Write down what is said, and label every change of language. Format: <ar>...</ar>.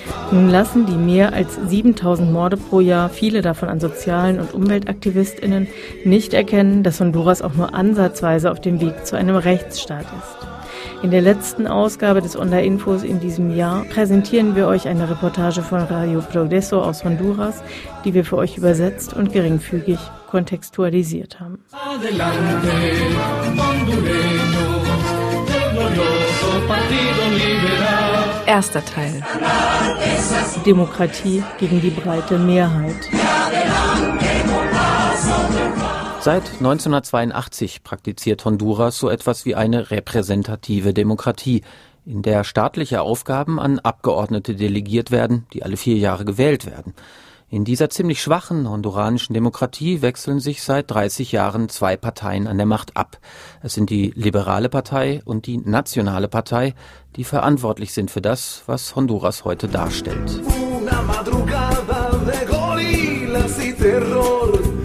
<de>Nun lassen die mehr als 7000 Morde pro Jahr, viele davon an sozialen und UmweltaktivistInnen, nicht erkennen, dass Honduras auch nur ansatzweise auf dem Weg zu einem Rechtsstaat ist. In der letzten Ausgabe des Onda-Infos in diesem Jahr präsentieren wir euch eine Reportage von Radio Progreso aus Honduras, die wir für euch übersetzt und geringfügig kontextualisiert haben.</de> <es>Adelante, Hondureños, el glorioso Partido Liberal.</es> <de>Erster Teil. Demokratie gegen die breite Mehrheit. Seit 1982 praktiziert Honduras so etwas wie eine repräsentative Demokratie, in der staatliche Aufgaben an Abgeordnete delegiert werden, die alle 4 Jahre gewählt werden. In dieser ziemlich schwachen honduranischen Demokratie wechseln sich seit 30 Jahren 2 Parteien an der Macht ab. Es sind die Liberale Partei und die Nationale Partei, die verantwortlich sind für das, was Honduras heute darstellt.</de> <es>Una madrugada de gorilas y terror.</es>